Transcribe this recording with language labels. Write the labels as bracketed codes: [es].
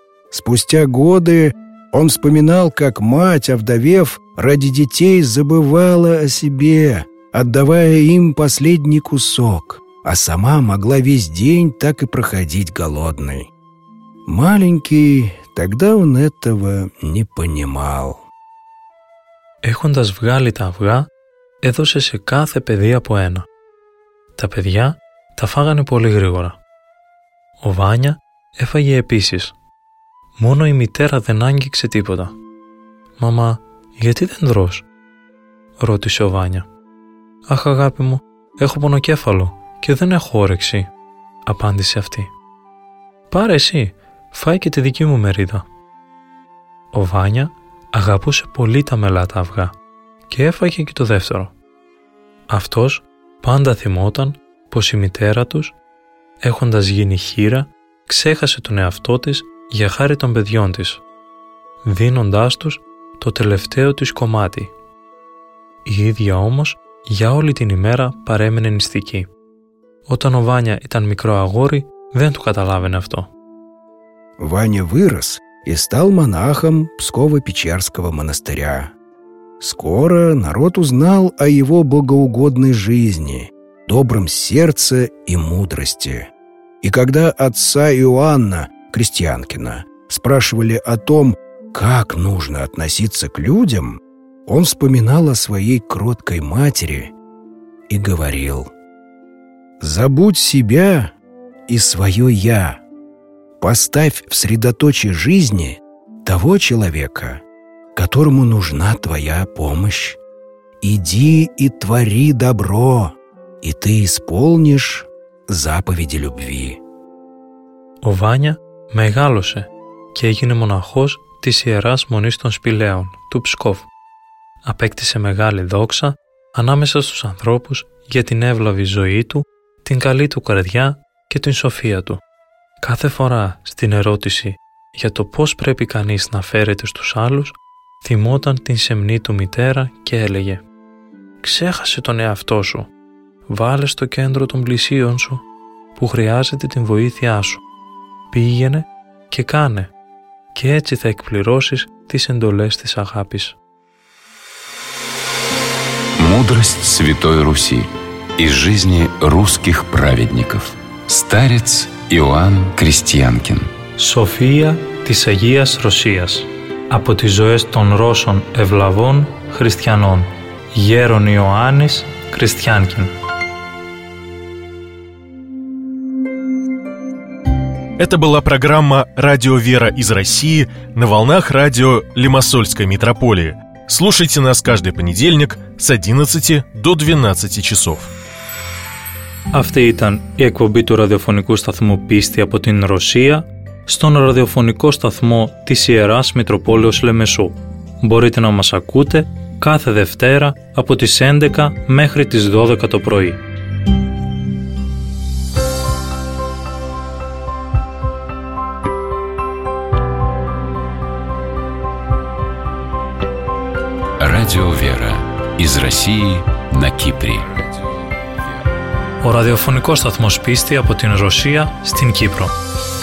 [ru] Спустя годы он вспоминал, как мать, овдовев, ради детей забывала о себе, отдавая им последний кусок, а сама могла весь день так и проходить голодной. Маленький, тогда он этого не понимал. [el] Έχοντας βγάλει τα αυγά, έδωσε σε κάθε παιδί από ένα. Τα παιδιά τα φάγανε πολύ γρήγορα. Ο Βάνια έφαγε επίσης. Μόνο η μητέρα δεν άγγιξε τίποτα. «Μαμά, γιατί δεν τρως?» ρώτησε ο Βάνια. «Αχ, αγάπη μου, έχω πονοκέφαλο και δεν έχω όρεξη», απάντησε αυτή. «Πάρε εσύ, φάει και τη δική μου μερίδα». Ο Βάνια αγαπούσε πολύ τα μελάτα αυγά και έφαγε και το δεύτερο. Αυτός πάντα θυμόταν πως η μητέρα τους, έχοντας γίνει χήρα, ξέχασε τον εαυτό της για χάρη των παιδιών της, δίνοντάς τους το τελευταίο της κομμάτι. Η ίδια όμως για όλη την ημέρα παρέμενε νηστική. Όταν ο Βάνια ήταν μικρό αγόρι, δεν του καταλάβαινε αυτό. [ru] Βάνια вырос и стал монахом Псково-Печерского монастыря. Скоро народ узнал о его богоугодной жизни, добром сердце и мудрости. И когда отца Иоанна, Крестьянкина, спрашивали о том, как нужно относиться к людям, он вспоминал о своей кроткой матери и говорил: «Забудь себя и свое «я». Поставь в средоточие жизни того человека, которому нужна твоя помощь. Иди и твори добро, и ты исполнишь заповеди любви». [el] Ο Βάνια μεγάλωσε και έγινε μοναχός της Ιεράς Μονής των Σπηλαίων, του Ψκόβ. Απέκτησε μεγάλη δόξα ανάμεσα στους ανθρώπους για την εύλαβη ζωή του, την καλή του καρδιά και την σοφία του. Κάθε φορά στην ερώτηση για το πώς πρέπει κανείς να φέρεται στους άλλους, θυμόταν την σεμνή του μητέρα και έλεγε: «Ξέχασε τον εαυτό σου. Βάλε στο κέντρο των πλησίων σου που χρειάζεται την βοήθειά σου. Πήγαινε και κάνε, και έτσι θα εκπληρώσεις τις εντολές της αγάπης». [ru] Мудрость Святой Руси из жизни русских праведников. Старец Иоанн Крестьянкин. [el] Σοφία της Αγίας Ρωσίας από τις ζωές των Ρώσων ευλαβών χριστιανών. Γέρον Ιωάννης Κριστιάνκιν. [ru] Это была программа «Радио Вера из России» на волнах радио Лимассольской митрополии. Слушайте нас каждый понедельник с 11 до 12 часов. [el] Αυτή ήταν η εκπομπή του ραδιοφωνικού σταθμού «Πίστη» από την Ρωσία στον ραδιοφωνικό σταθμό της Ιεράς Μητροπόλεως Λεμεσού. Μπορείτε να μας ακούτε κάθε Δευτέρα από τις 11 μέχρι τις 12 το πρωί. [ru] Radio Vera из России на Кипре. [el] Ο ραδιοφωνικός σταθμός «Πίστη» από την Ρωσία στην Κύπρο.